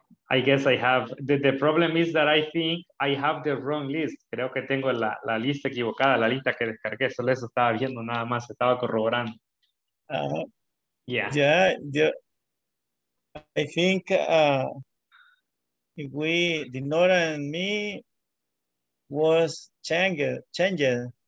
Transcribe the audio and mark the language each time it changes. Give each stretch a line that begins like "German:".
English: I guess I have, the problem is that I think I have the wrong list.
Spanish: Creo que tengo la lista equivocada, la lista que descargué. Solo eso estaba viendo nada más, estaba corroborando.
English: I think we, Dinora and me, was changed.